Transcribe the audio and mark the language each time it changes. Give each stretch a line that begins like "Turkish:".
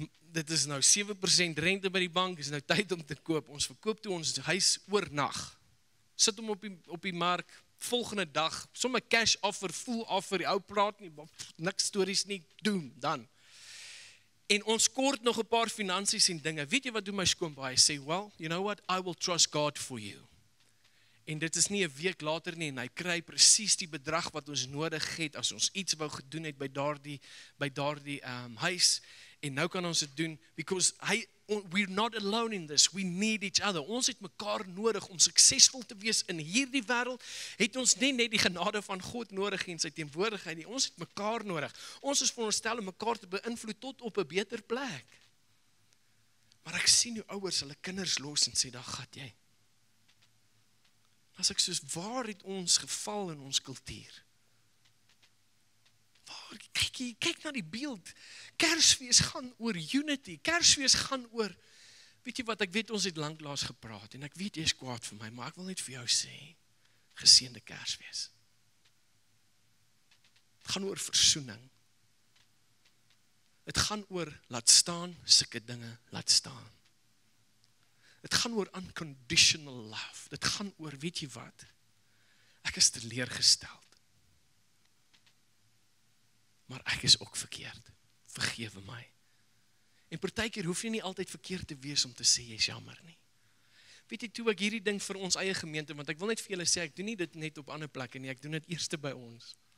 Afrikaans: Dit is nou 7% rente by die bank, is nou tyd om te koop. Ons verkoop toe ons huis oornag. Sit hom op die mark, volgende dag, somme
English: cash offer, full offer,
Afrikaans: die ou praat nie, niks stories nie, doen, dan. En ons kort nog 'n paar finansies en dinge. Weet jy wat doen my skoonpa? Hy sê,
English: well, you know what, I will trust God for you.
Afrikaans: En dit is nie 'n week later nie, en hy kry precies die bedrag wat ons nodig het, as ons iets wou gedoen het by daardie huis, en nou kan ons het doen,
English: because we're not alone in this, we need each other,
Afrikaans: ons het mekaar nodig om suksesvol te wees in hierdie wêreld, het ons nie net die genade van God nodig en sy teenwoordigheid nie, ons het mekaar nodig, ons is veronderstel om mekaar te beïnvloed tot op 'n beter plek. Maar ek sien hoe ouers hulle kinders los en sê, daar gaat jy. As ek soos, waar het ons geval in ons kultuur? Waar, kyk na die beeld. Kersfees gaan oor unity. Kersfees gaan oor, weet jy wat, ek weet ons het lang laas gepraat, en ek weet jy is kwaad vir my, maar ek wil net vir jou sê, geseënde Kersfees. Het gaan oor versoening. Het gaan oor, laat staan, sulke dinge, laat staan. Het gaan oor
English: unconditional love.
Afrikaans: Dit gaan oor, weet jy wat, ek is teleurgesteld. Maar ek is ook verkeerd. Vergewe my. En partykeer hoef jy nie altyd verkeerd te wees om te sê, jy is jammer nie. Weet jy, toe ek hierdie ding vir ons eie gemeente, want ek wil net vir julle sê, ek doen nie dit net op ander plekke nie, ek doen dit eerste by ons.